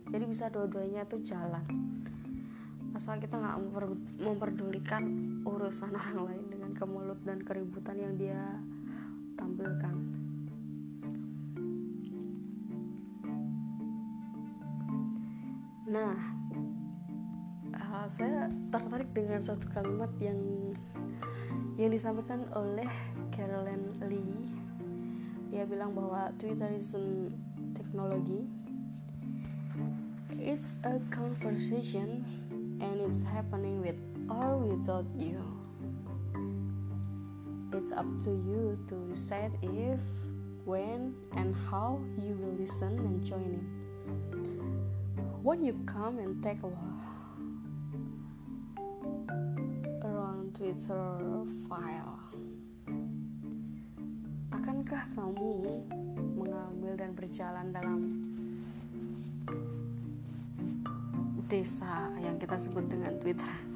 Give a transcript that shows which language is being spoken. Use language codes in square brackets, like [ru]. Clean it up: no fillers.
[id] Jadi bisa dua-duanya itu jalan, asal kita gak memperdulikan urusan orang lain dengan kemulut dan keributan yang dia tampilkan. Nah, saya tertarik dengan satu kalimat yang yang disampaikan oleh Carolyn Lee. Dia bilang bahwa [en] Twitter is a technology, it's a conversation, and it's happening with or without you. It's up to you to decide if, when, and how you will listen and join in. When you come and take a walk around Twitter file, [id] akankah kamu mengambil dan berjalan dalam desa yang kita sebut dengan Twitter?